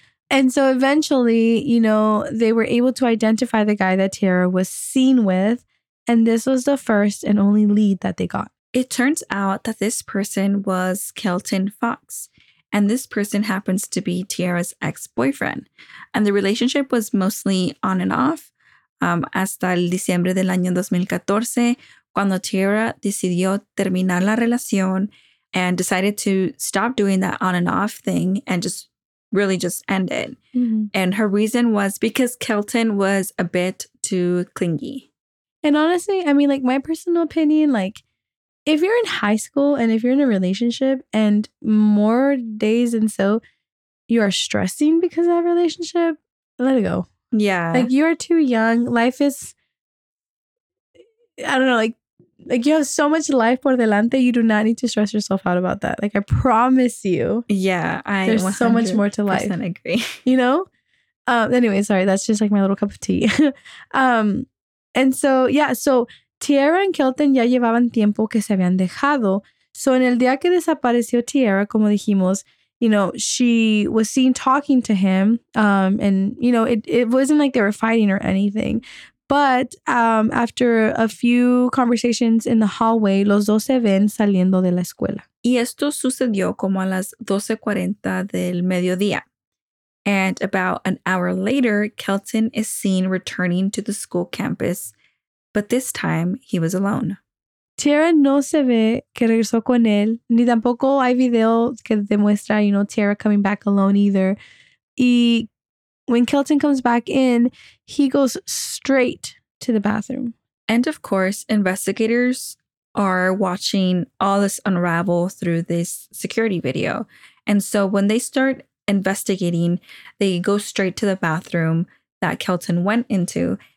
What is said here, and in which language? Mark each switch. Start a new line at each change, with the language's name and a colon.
English: And so eventually, you know, they were able to identify the guy that Tierra was seen with. And this was the first and only lead that they got. It turns out that this person was Kelton Fox. And this person happens to be Tierra's ex-boyfriend. And the relationship was mostly on and off.
Spanish: Hasta el diciembre del año 2014, cuando Tierra decidió terminar la relación
English: and decided to stop doing that on and off thing and just really just end it. Mm-hmm. And her reason was because Kelton was a bit too clingy. And honestly, I mean, like, my personal opinion, like, if you're in high school and if you're in a relationship and more days and so you are stressing because of that relationship, let it go. Yeah. Like, you are too young. Life is, I don't know, like you have so much life
Spanish: por delante.
English: You do not need to stress yourself out about that. Like, I promise you. Yeah. There's so much more to life. I agree. You know? Anyway, sorry. That's just like my little cup of tea. And so, yeah.
Spanish: So, Tierra and Kelton ya llevaban tiempo que se habían dejado.
English: So,
Spanish: en el día que desapareció Tierra, como dijimos,
English: you know, she was seen talking to him. And, you know, it wasn't like they were fighting or anything. But after a few conversations in the hallway,
Spanish: los dos se ven saliendo de la escuela. Y esto sucedió como a las 12:40 del mediodía.
English: And about an hour later, Kelton is seen returning to the school campus. But this time, he was alone.
Spanish: Tierra no se ve que regresó con él. Ni tampoco hay video que demuestra,
English: you know, Tierra coming back alone either. Y when Kelton comes back in, he goes straight to the bathroom. And of course, investigators are watching all this unravel through this security video. And so when they start investigating, they go straight to the bathroom that Kelton went into.